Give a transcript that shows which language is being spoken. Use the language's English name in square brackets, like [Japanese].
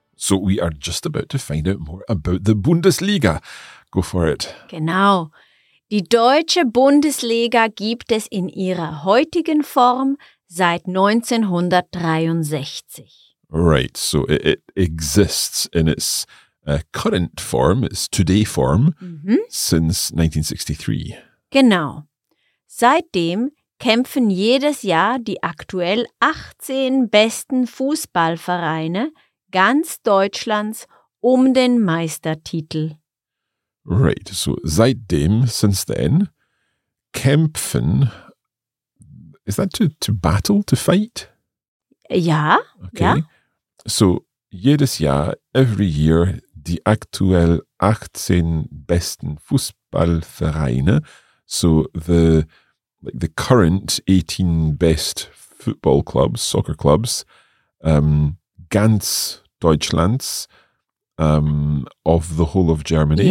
[English] So we are just about to find out more about the Bundesliga. Go for it. [German] Genau. Die deutsche Bundesliga gibt es in ihrer heutigen Form seit 1963. [English] Right. So it exists in its current form, its today form, since 1963. [German] Genau. Seitdem kämpfen jedes Jahr die aktuell 18 besten Fußballvereine ganz Deutschlands um den Meistertitel. [English] Right, so seitdem, since then, kämpfen, is that to battle, to fight? [German] Ja, okay. Ja. [English] So [German] jedes Jahr, [English] every year, [German] die aktuell 18 besten Fußballvereine, [English] so the current 18 best football clubs, soccer clubs, [German] ganz Deutschlands, [English] of the whole of Germany.